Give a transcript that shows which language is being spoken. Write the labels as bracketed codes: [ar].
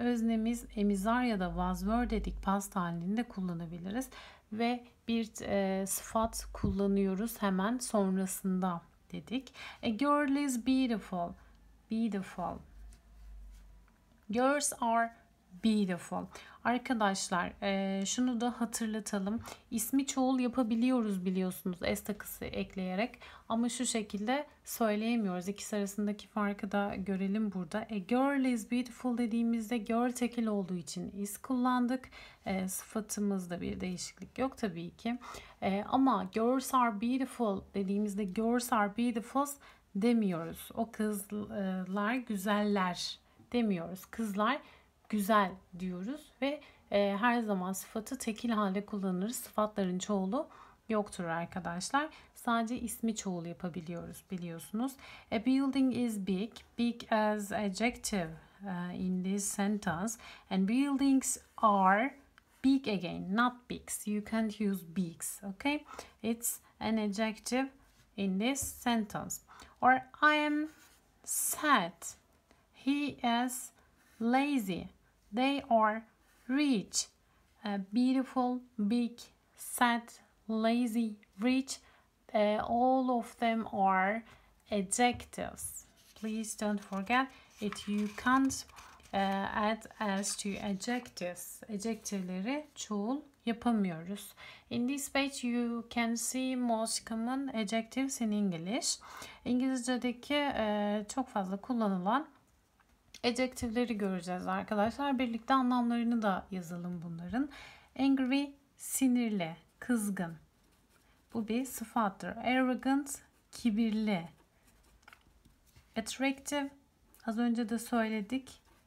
[tr] Öznemiz amis are ya da was were dedik. Past halinde kullanabiliriz. Ve bir sıfat kullanıyoruz hemen sonrasında dedik. [en] A girl is beautiful. Beautiful. Girls are [tr] Bir defa. Arkadaşlar, şunu da hatırlatalım. İsmi çoğul yapabiliyoruz biliyorsunuz, es takısı ekleyerek. Ama şu şekilde söyleyemiyoruz. İkisi arasındaki farkı da görelim burada. [en] Girl is beautiful [tr] dediğimizde girl tekil olduğu için is kullandık. Sıfatımızda bir değişiklik yok tabii ki. Ama [en] girls are beautiful [tr] dediğimizde girls are beautiful demiyoruz. O kızlar güzeller demiyoruz. Kızlar güzel diyoruz ve her zaman sıfatı tekil halde kullanırız. Sıfatların çoğulu yoktur arkadaşlar. Sadece ismi çoğul yapabiliyoruz biliyorsunuz. [en] A building is big. Big as adjective in this sentence. And buildings are big again, not bigs. You can't use bigs, okay? It's an adjective in this sentence. Or I am sad. He is lazy. They are rich. Beautiful, big, sad, lazy, rich. All of them are adjectives. Please don't forget it. You can't add as to adjectives. [tr] Adjectiveleri çoğul yapamıyoruz. [en] In this page you can see most common adjectives in English. [tr] İngilizce'deki çok fazla kullanılan adjektifleri göreceğiz arkadaşlar. Birlikte anlamlarını da yazalım bunların. Angry, sinirli, kızgın. Bu bir sıfattır. Arrogant, kibirli. Attractive, az önce de söyledik.